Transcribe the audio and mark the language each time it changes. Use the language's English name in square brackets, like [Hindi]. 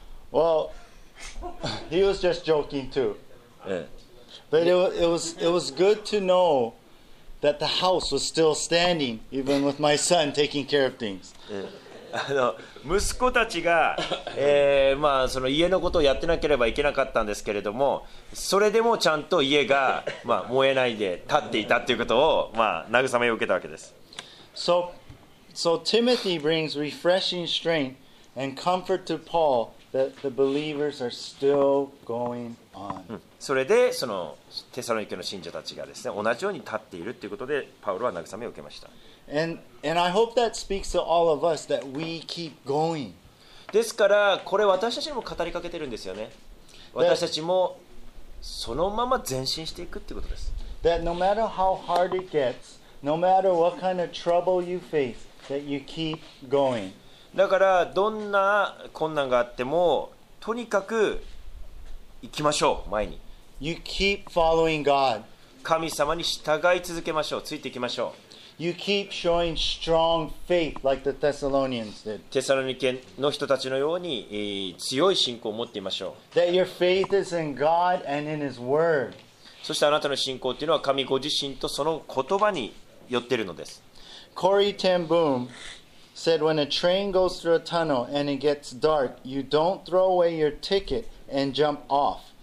[English] well,He was just joking too. But it was good to know that the house was still standing, even with my son taking care of things. [Japanese] 息子たちが、その家のことをやってなければいけなかったんですけれども、それでもちゃんと家が、燃えないで立っていたということを、慰めを受けたわけです。 [English] So Timothy brings refreshing strength and comfort to Paul. That the believers are still going on. [Japanese] それでそのテサロニケの信者たちがですね、同じように立っているということでパウロは慰めを受けました。 [English] And I hope that speaks to all of us that we keep going. [Japanese] ですからこれ私たちにも語りかけてるんですよね。私たちもそのまま前進していくということです。 [English] That no matter how hard it gets, no matter what kind of trouble you face, that you keep going. [Japanese] だからどんな困難があってもとにかく行きましょう。前に [English] You keep following God. [Japanese] 神様に従い続けましょう。ついていきましょう。 [English] You keep showing strong faith like the Thessalonians did. [Japanese] テサロニケの人たちのように強い信仰を持っていましょう。 [English] That your faith is in God and in His Word. [Japanese] そしてあなたの信仰というのは神ご自身とその言葉によっているのです。 [English] Corrie ten Boom said when a train goes through a tunnel and it gets dark, you don't throw away your ticket and jump off.